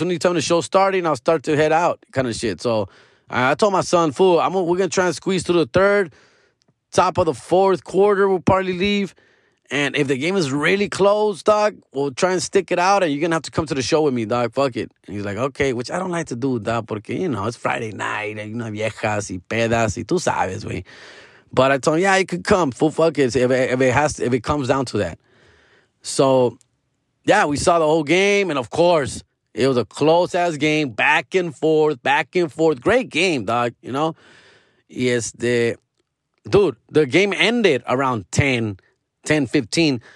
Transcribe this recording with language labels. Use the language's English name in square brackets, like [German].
[English] When you tell me the show starting, I'll start to head out kind of shit. So I told my son, fool, we're going to try and squeeze through the third, top of the fourth quarter, we'll probably leave. And if the game is really close, dog, we'll try and stick it out and you're going to have to come to the show with me, dog. Fuck it. And he's like, okay, which I don't like to do, dog, porque, it's Friday night. [Spanish] Viejas y pedas y tú sabes, güey. [English] But I told him, yeah, you could come. Fool, fuck it. If it comes down to that. So, yeah, we saw the whole game. And, of course, it was a close-ass game. Back and forth. Great game, dog, Yes, the game ended around 10:15.